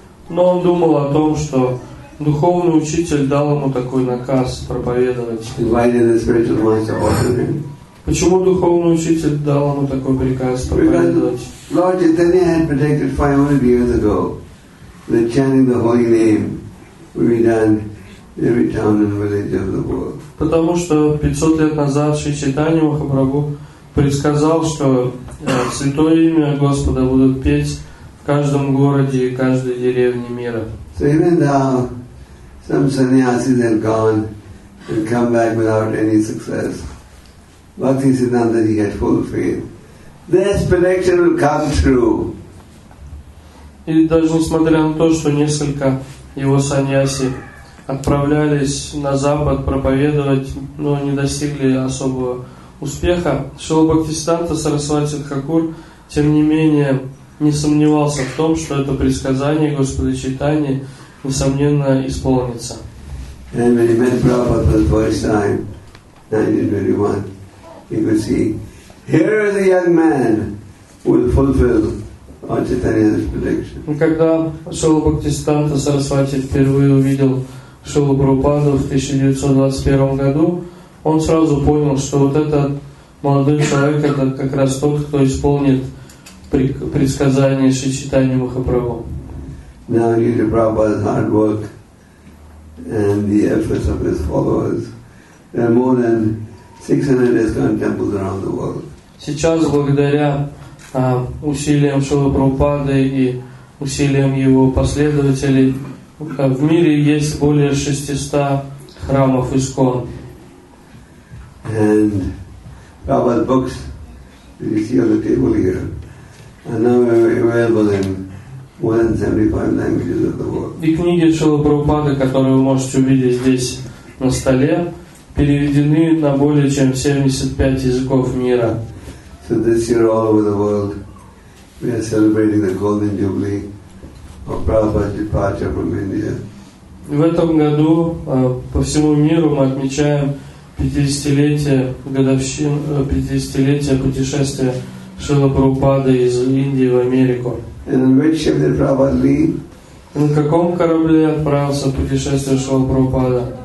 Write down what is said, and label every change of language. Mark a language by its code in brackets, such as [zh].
[ru] Но он думал о том, что духовный учитель дал ему такой наказ проповедовать. [en] Why did the spiritual master order him? [ru] Почему духовный учитель дал ему такой приказ проповедовать? [en] Lord Chaitanya had predicted 500 years ago that chanting the holy name would be done in every town and village of the world. [ru] Потому что 500 лет назад Шри Чайтанья Махапрабху предсказал, что святое имя Господа будут петь в каждом городе и каждой деревне мира. [en] So even now, some sannyasis have gone and come back without any success. Bhakti Siddhanta, he had full faith. This prediction will come true. [ru] И даже несмотря на то, что несколько его саньяси отправлялись на Запад проповедовать, но не достигли особого успеха, Шрила Бхактисиддханта Сарасвати Тхакур, тем не менее, не сомневался в том, что это предсказание Господа Чайтаньи несомненно исполнится. [en] And when he met Prabhupada for the first time, 1921, he could see, here is a young man who will fulfill Lord Chaitanya's prediction. [ru] Когда Шрила Бхактисиддханта Сарасвати впервые увидел Шрилу Прабхупаду в 1921 году, он сразу понял, что вот этот молодой человек, это как раз тот, кто исполнит предсказание Шри Чайтаньи Махапрабху. [en] Now due to Prabhupada's hard work and the efforts of his followers, there are more than 600 ISKCON temples around the world. [ru] Сейчас, благодаря усилиям Шрилы Прабхупады и усилиям его последователей, в мире есть более 600 храмов ИСКОН. [en] And Prabhupada's books, you see on the table here, are now available in more than 75 languages of the world. [ru] И книги Шрилы Прабхупады, которые вы можете увидеть здесь на столе, переведены на более чем 75 языков мира. [en] So this year all over the world, we are celebrating the Golden Jubilee of Prabhupada's departure from India. [ru] В этом году по всему миру мы отмечаем 50-летие путешествия Шрилы Прабхупады из Индии в Америку. [en] And on which ship did Prabhupada leave? [ru] На каком корабле отправился путешествие Шрилы Прабхупады?